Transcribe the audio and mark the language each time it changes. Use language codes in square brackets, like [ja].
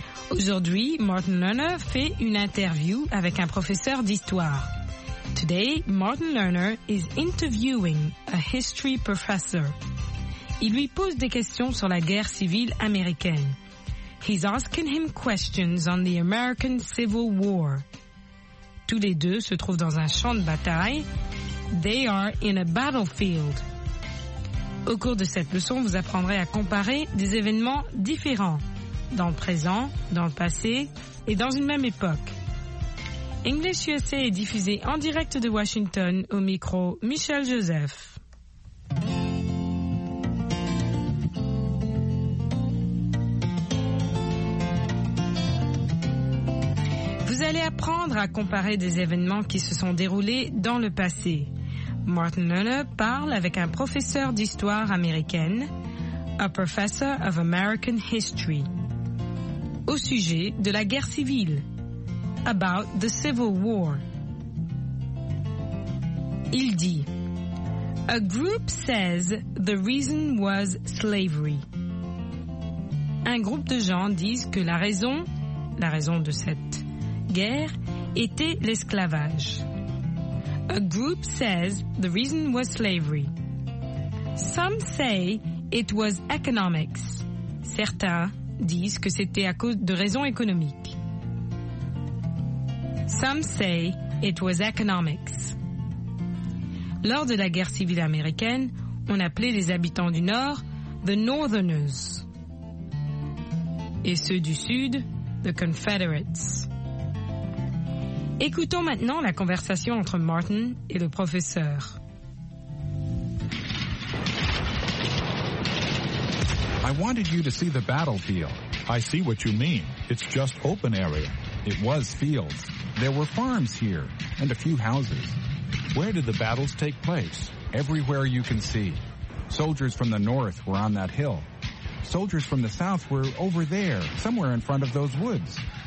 [fr] Aujourd'hui, Martin Lerner fait une interview avec un professeur d'histoire. [en] Today, Martin Lerner is interviewing a history professor. [fr] Il lui pose des questions sur la guerre civile américaine. [en] He's asking him questions on the American Civil War. [fr] Tous les deux se trouvent dans un champ de bataille. [en] They are in a battlefield. [fr] Au cours de cette leçon, vous apprendrez à comparer des événements différents. Dans le présent, dans le passé et dans une même époque. English USA est diffusé en direct de Washington au micro Michel Joseph. Vous allez apprendre à comparer des événements qui se sont déroulés dans le passé. Martin Lerner parle avec un professeur d'histoire américaine, [en] a professor of American history. [fr] Au sujet de la guerre civile, [en] about the Civil War. [fr] Il dit, [en] a group says the reason was slavery. [fr] Un groupe de gens disent que la raison de cette guerre était l'esclavage. [en] A group says the reason was slavery. Some say it was economics. [fr] Certains disent que c'était à cause de raisons économiques. [en] Some say it was economics. [fr] Lors de la guerre civile américaine, on appelait les habitants du Nord « [en] the Northerners [fr] » et ceux du Sud « [en] the Confederates ». [fr] Écoutons maintenant la conversation entre Martin et le professeur. [en] I wanted you to see the battlefield. I see what you mean. It's just open area. It was fields. There were farms here and a few houses. Where did the battles take place? Everywhere you can see. Soldiers from the north were on that hill. Soldiers from the south were over there, somewhere in front of those woods.